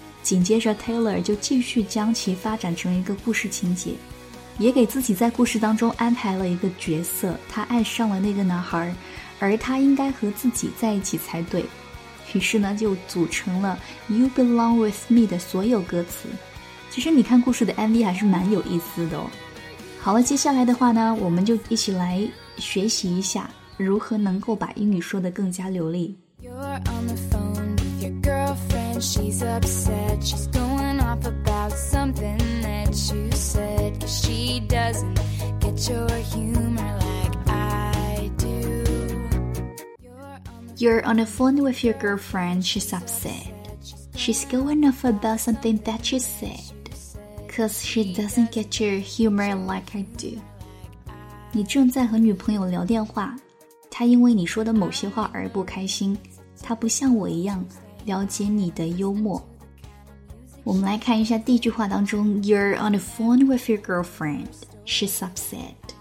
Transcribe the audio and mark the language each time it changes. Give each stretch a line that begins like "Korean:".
Chinese: 紧接着 Taylor 就继续将其发展成一个故事情节，也给自己在故事当中安排了一个角色，他爱上了那个男孩，而他应该和自己在一起才对。于是呢，就组成了 You Belong With Me 的所有歌词。其实你看故事的 MV 还是蛮有意思的哦。好了，接下来的话呢，我们就一起来学习一下如何能够把英语说得更加流利。
English: You're on the phone with your girlfriend, she's upset, she's going off about something that you said, 'cause she doesn't get your humor like I do. You're on the phone with your girlfriend, she's upset, she's going off about something that you said, 'cause she doesn't get your humor like I do.
Chinese: 你正在和女朋友聊电话，他因为你说的某些话而不开心，他不像我一样了解你的幽默。我们来看一下第一句话当中
English: You're on the phone with your girlfriend, she's upset.